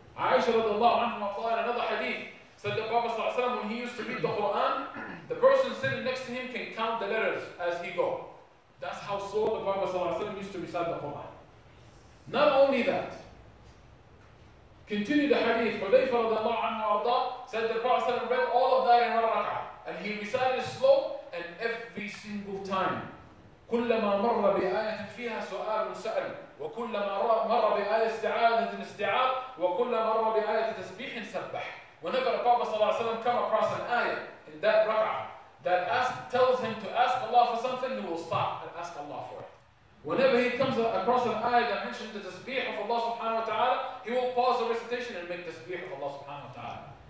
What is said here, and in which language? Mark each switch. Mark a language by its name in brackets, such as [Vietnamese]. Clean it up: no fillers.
[English] Aisha radiallahu anha said another hadith, said the Prophet sallallahu alaihi wasallam, when he used to read the Quran, the person sitting next to him can count the letters as he go. That's how slow the Prophet sallallahu alaihi wasallam used to recite the Quran. Not only that, continue the hadith. Hudhayfa radiallahu anhu arda said the Prophet read all of that in one rak'ah. And he recited it slow, and every single time. [Arabic] كلما مر بآية فيها سؤال سأل وكلما مر بآية استعاذة استعاذ وكلما مر بآية تسبيح سبح. [English] Whenever the Prophet صلى الله عليه وسلم come across an ayah in that rak'ah that tells him to ask Allah for something, he will stop and ask Allah for it. Whenever he comes across an ayah that mentions the tasbih of Allah subhanahu wa ta'ala, he will pause the recitation and make tasbih of Allah subhanahu wa ta'ala.